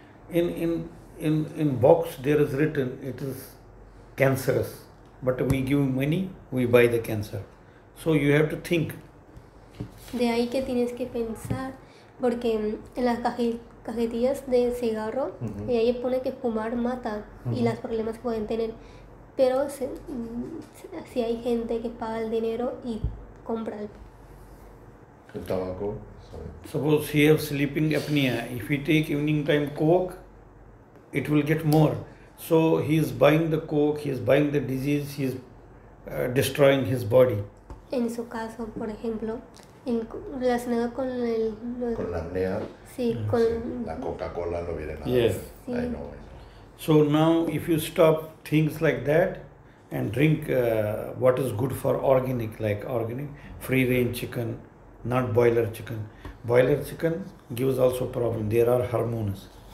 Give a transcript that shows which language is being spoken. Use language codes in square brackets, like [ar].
[en] In box there is written it is cancerous, but we give money, we buy the cancer. So you have to think. [es] De ahí que tienes que pensar, porque en las cajetillas de cigarro y ahí pone que fumar mata y los problemas que pueden tener. Pero si hay gente que paga el dinero y compra el tabaco, sorry. [en] Suppose he has sleeping apnea. If he take evening time Coke, it will get more. So he is buying the Coke, he is buying the disease, he is destroying his body. [es] En su caso, por ejemplo, relacionado con el... con la apnea. Sí, con... la Coca-Cola no viene nada. [en] Yes. [es] Sí. [en] I know. So now if you stop things like that and drink what is good for organic, like organic free range chicken, not boiler chicken. Boiler chicken gives also problem. There are hormones.